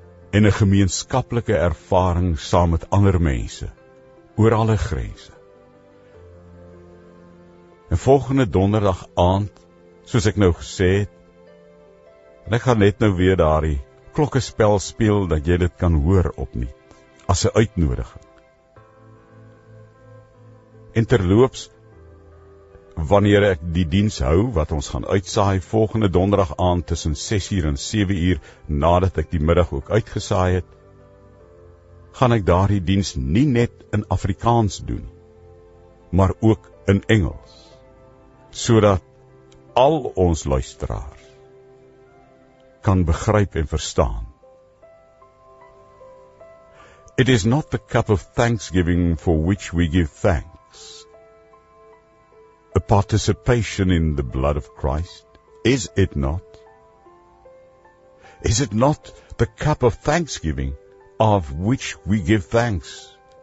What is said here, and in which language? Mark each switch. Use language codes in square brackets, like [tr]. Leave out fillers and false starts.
[af] En 'n gemeenskaplike ervaring saam met ander mense oor alle grense. En volgende donderdag aand, soos ek nou gesê het, en ek gaan net nou weer daardie klokkespel speel, dat jy dit kan hoor opnuut, as 'n uitnodiging. En terloops, wanneer ek die diens hou, wat ons gaan uitsaai volgende donderdag aand, tussen 6 uur en 7 uur, nadat ek die middag ook uitgesaai het, gaan ek daardie diens nie net in Afrikaans doen, maar ook in Engels, sodat al ons luisteraars kan begryp en verstaan. [en] It is not the cup of thanksgiving for which we give thanks. A participation in the blood of Christ, is it not? Is it not the cup of thanksgiving of which we give thanks?